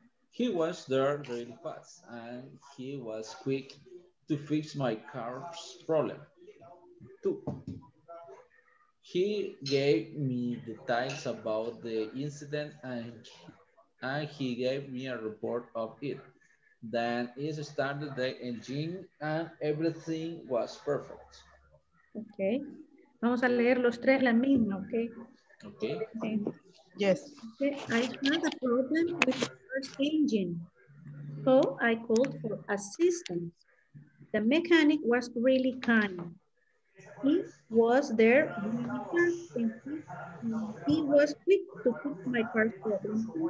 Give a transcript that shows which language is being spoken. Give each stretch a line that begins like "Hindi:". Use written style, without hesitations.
English: He was there really fast and he was quick to fix my car's problem too. He gave me details about the incident and he gave me a report of it. Then he started the engine and everything was perfect. Okay.
Spanish: Vamos a leer los tres la misma, okay?
English: Okay. Yes. Okay. I had a problem with the car's engine, so I called for assistance. The mechanic was really kind. he was there. He was quick to fix my car's problem.